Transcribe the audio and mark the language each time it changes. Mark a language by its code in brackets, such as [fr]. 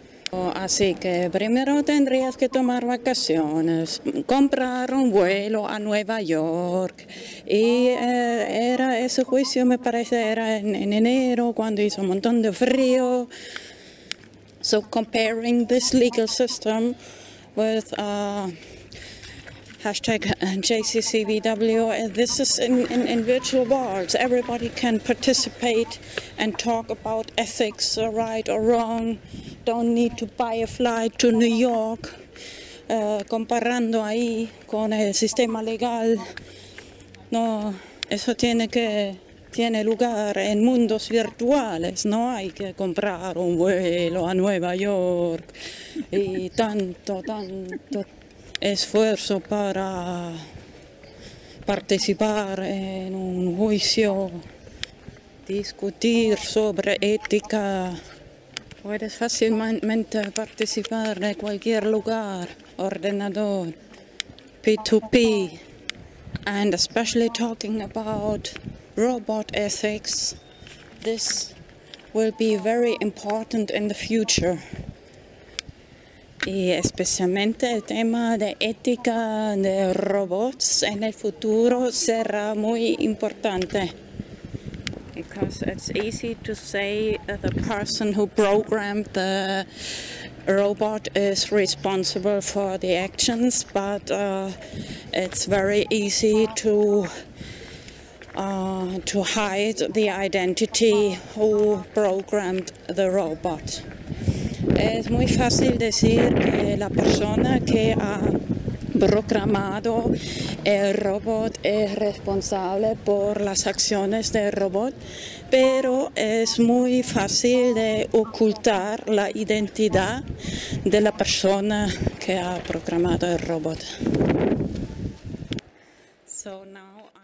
[es] Así que primero tendrías que tomar vacaciones, comprar un vuelo a Nueva York. Y era ese juicio, me parece, era en enero, cuando hizo un montón de frío. [en] So comparing this legal system with hashtag JCCVW, this is in virtual worlds. Everybody can participate and talk about ethics, right or wrong. Don't need to buy a flight to New York. [es] Comparando ahí con el sistema legal, no, eso tiene lugar en mundos virtuales. No hay que comprar un vuelo a Nueva York y tanto esfuerzo para participar en un juicio, discutir sobre ética. Puedes fácilmente participar en cualquier lugar, ordenador, P2P. [en] And especially talking about robot ethics, this will be very important in the future. [es] Y especialmente el tema de ética de robots en el futuro será muy importante. [en] Because it's easy to say the person who programmed the robot is responsible for the actions, but it's very easy to hide the identity who programmed the robot. [es] Es muy fácil decir que la persona que ha programado el robot es responsable por las acciones del robot, pero es muy fácil de ocultar la identidad de la persona que ha programado el robot. [en] So now